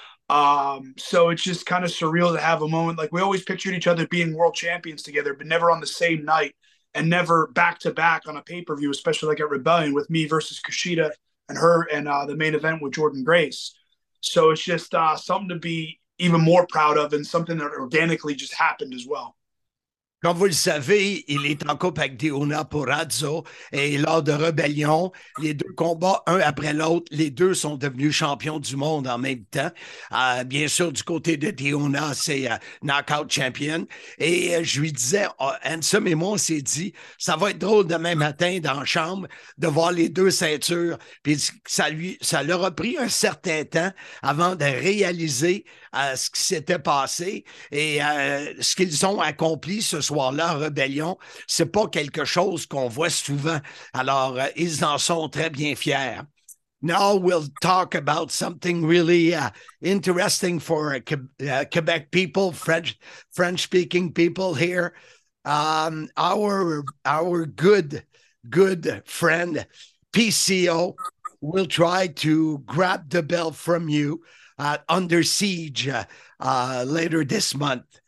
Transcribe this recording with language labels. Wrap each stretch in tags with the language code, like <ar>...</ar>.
<en>So it's just kind of surreal to have a moment. Like we always pictured each other being world champions together, but never on the same night and never back to back on a pay-per-view, especially like at Rebellion with me versus Kushida and her and the main event with Jordynne Grace. So it's just something to be even more proud of and something that organically just happened as well.</en> <fr>Comme vous le savez, il est en couple avec Deonna Purrazzo et lors de Rebellion, les deux combats, un après l'autre, les deux sont devenus champions du monde en même temps. Bien sûr, du côté de Deonna, c'est Knockout Champion. Et je lui disais, Ansem et moi, on s'est dit, ça va être drôle demain matin dans la chambre de voir les deux ceintures. Puis ça leur a pris un certain temps avant de réaliser ce qui s'était passé et ce qu'ils ont accompli ce soir-là, Rebellion, c'est pas quelque chose qu'on voit souvent. Alors, ils en sont très bien fiers.</fr> <en>Now we'll talk about something really interesting for Quebec people, French-speaking people here. Our good friend, PCO, will try to grab the belt from you at Under Siege later this month.</en>